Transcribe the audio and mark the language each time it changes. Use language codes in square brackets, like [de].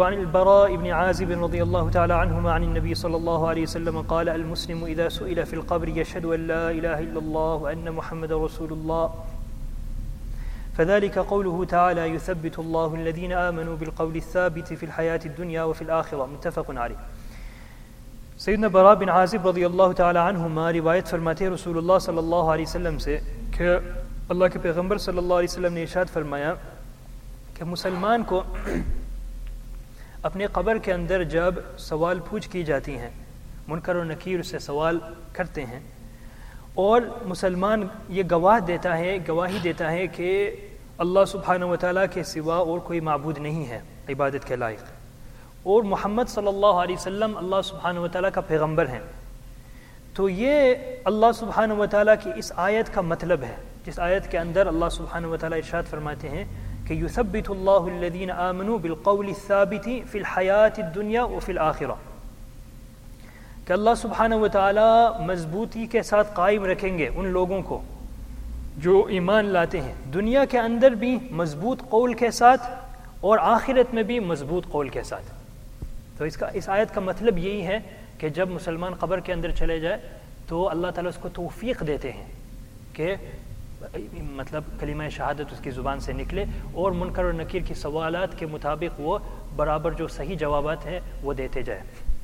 [ar] وعن البراء بن عازب رضي الله تعالى عنهما عن النبي صلى الله عليه وسلم قال المسلم إذا سئل في القبر يشهد أن لا إله إلا الله وأن محمد رسول الله فذلك قوله تعالى يثبت الله الذين آمنوا بالقول الثابت في الحياة الدنيا وفي الآخرة متفق عليه. [ur] سيدنا براء بن عازب رضي الله تعالى عنهما روايت فرماتے ہیں رسول الله صلى الله عليه وسلم سے کہ اللہ کے پیغمبر صلى الله عليه وسلم نے ارشاد فرمایا کہ مسلمان کو اپنے قبر کے اندر جب سوال پوچھ کی جاتی ہیں منکر و نکیر سے سوال کرتے ہیں اور مسلمان یہ گواہی دیتا ہے کہ اللہ سبحانہ وتعالی کے سوا اور کوئی معبود نہیں ہے عبادت کے لائق اور محمد صلی اللہ علیہ وسلم اللہ سبحانہ وتعالی کا پیغمبر ہے تو یہ اللہ سبحانہ وتعالی کی اس آیت کا مطلب ہے جس آیت کے اندر اللہ سبحانہ وتعالی ارشاد فرماتے ہیں [ar] كيثبت الله الذين آمنوا بالقول الثابت في الحياة الدنيا وفي الآخرة. [ur] کہ اللہ سبحانہ وتعالی مضبوطی کے ساتھ قائم رکھیں گے ان لوگوں کو جو ایمان لاتے ہیں, دنیا کے اندر بھی مضبوط قول کے ساتھ اور آخرت میں بھی مضبوط قول کے ساتھ. تو اس آیت کا مطلب یہی ہے کہ جب مسلمان قبر کے اندر چلے جائے تو اللہ تعالیٰ اس کو توفیق دیتے ہیں کہ مطلب کلمہ شہادت اس کی زبان سے نکلے اور منکر و نکیر کی سوالات کے مطابق وہ برابر جو صحیح جوابات ہیں وہ دیتے جائے.